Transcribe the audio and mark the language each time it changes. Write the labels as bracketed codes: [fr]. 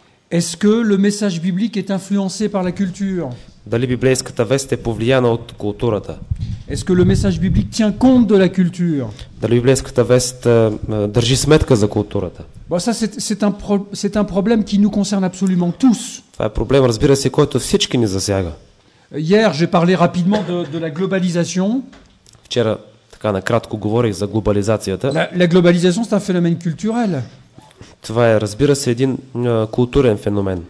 [fr] Est-ce que le message biblique est influencé par la culture? [bg] Дали библейската вест е повлияна от културата? [fr] Est-ce que le message biblique tient compte de la culture? [bg] Дали библейската вест държи сметка за културата? [fr] Bon, ça c'est un problème qui nous concerne absolument tous. [bg] Това е проблем, разбира се, който всички ни засяга. [fr] Hier, j'ai parlé rapidement de la globalisation. [bg] Вчера така накратко говорих за глобализацията. [fr] La globalisation c'est un phénomène culturel. [bg] Това е, разбира се, един културен феномен.